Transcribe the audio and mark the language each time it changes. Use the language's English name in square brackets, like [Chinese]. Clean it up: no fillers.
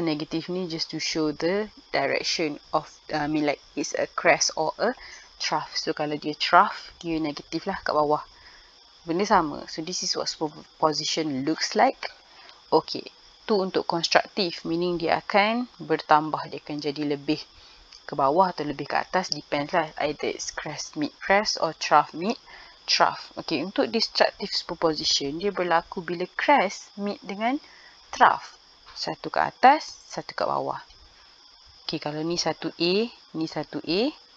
[English] Negative ni just to show the direction of, like it's a crest or a trough. [Malay] So, kalau dia trough, dia negative lah kat bawah. Benda sama. [English] So, this is what superposition looks like. [Malay] Okay. Tu untuk constructive, meaning dia akan bertambah. Dia akan jadi lebih ke bawah atau lebih ke atas. [English] Depends lah. Either it's crest meet crest or trough meet trough. [Malay] Okay. Untuk destructive superposition, dia berlaku bila [English] crest meet [Malay] dengan trough. Satu ke atas, satu ke bawah. Okay, kalau ni satu A, ni satu A.